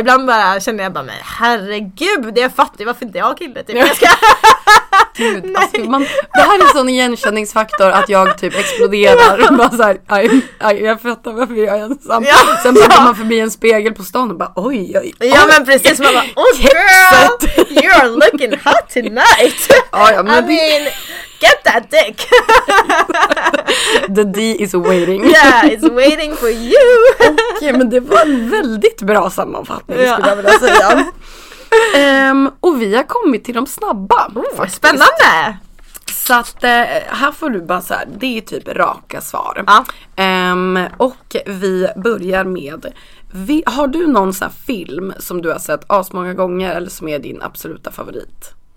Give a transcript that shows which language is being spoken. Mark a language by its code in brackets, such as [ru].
[sv] Ibland bara känner jag bara, men herregud, det är fattig, varför inte jag har kille typ. Gud, alltså, man, det här är en sån igenkänningsfaktor att jag typ exploderar. Bara så här, jag fattar varför jag är ensam. Ja, sen kommer man förbi en spegel på stan och bara, oj. Ja men precis, man bara, [en] oh girl, you are looking hot tonight. [sv] Ja, men [en] I mean, get that dick. The D is waiting. Yeah, it's waiting for you. [sv] Okej, men det var en väldigt bra sammanfattning skulle jag vilja säga. Och vi har kommit till de snabba. Spännande. Så att, här får du bara så här. Det är typ raka svar. Och vi börjar med, har du någon sån här film som du har sett asmånga gånger eller som är din absoluta favorit?